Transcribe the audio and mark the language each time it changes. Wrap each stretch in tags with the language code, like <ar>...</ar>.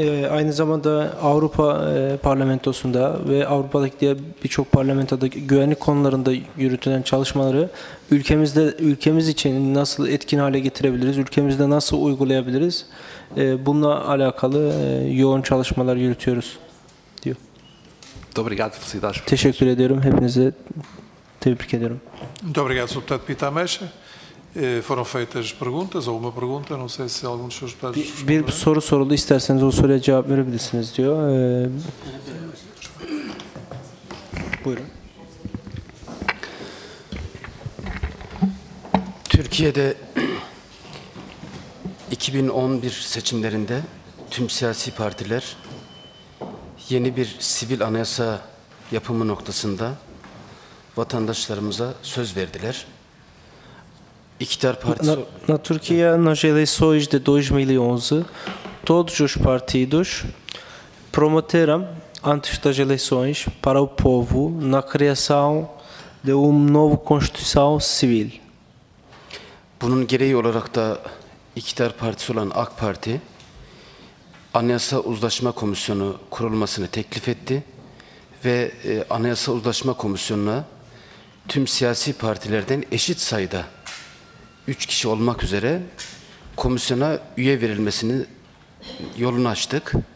<tr>Aynı zamanda Avrupa Parlamentosu'nda ve Avrupa'daki diğer birçok parlamentoda güvenlik konularında yürütülen çalışmaları ülkemizde ülkemiz için nasıl etkin hale getirebiliriz, ülkemizde nasıl uygulayabiliriz, bununla alakalı yoğun çalışmalar yürütüyoruz.</tr> <pt>Muito obrigado, felicidades.</pt> <tr>Teşekkür ediyorum. Hepinizi tebrik ediyorum.</tr> <pt>Muito obrigado, Sr. Deputado Pita Ameixa. Foram feitas perguntas ou uma pergunta, não sei se algum dos seus deputados...</pt> <tr>Bir soru soruldu, isterseniz o soruya cevap verebilirsiniz, diyor. Buyurun. Türkiye'de 2011 seçimlerinde tüm siyasi partiler yeni bir sivil anayasa yapımı noktasında vatandaşlarımıza söz verdiler. İktidar partisi</tr> <pt>na Türkiye nas eleições de 2011, todos os partidos prometeram antes das eleições para o povo na criação de uma nova constituição civil.</pt> <tr>Bunun gereği olarak da iktidar partisi olan AK Parti Anayasa Uzlaşma Komisyonu kurulmasını teklif etti ve Anayasa Uzlaşma Komisyonu'na tüm siyasi partilerden eşit sayıda 3 kişi olmak üzere komisyona üye verilmesini yolunu açtık.</tr>